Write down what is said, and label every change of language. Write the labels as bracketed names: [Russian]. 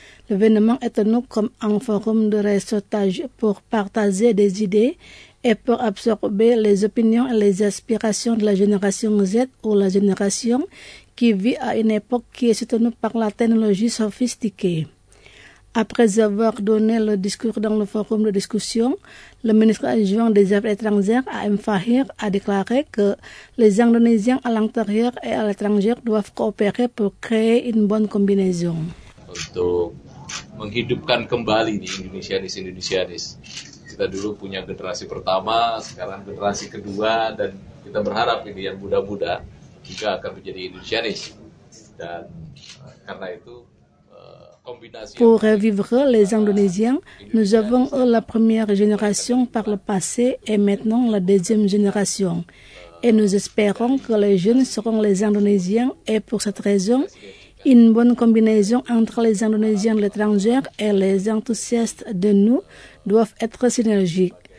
[French] L'événement est tenu comme un forum de réseautage pour partager des idées et pour absorber les opinions et les aspirations de la génération Z ou la génération qui vit à une époque qui est soutenue par la technologie sophistiquée. Après avoir donné le discours dans le forum de discussion, le ministre adjoint des Affaires étrangères, A.M. Fahir, a déclaré que les Indonésiens à l'intérieur et à l'étranger doivent coopérer pour créer une bonne combinaison. [Indonesian] Untuk menghidupkan kembali di Indonesianis Indonesianis, kita dulu punya generasi pertama, sekarang generasi kedua, dan kita berharap ini yang muda-muda juga akan menjadi Indonesianis. Dan karena itu. [French] Pour revivre les Indonésiens, nous avons eu la première génération par le passé et maintenant la deuxième génération. Et nous espérons que les jeunes seront les Indonésiens et pour cette raison, une bonne combinaison entre les Indonésiens de l'étranger et les enthousiastes de nous doivent être synergiques.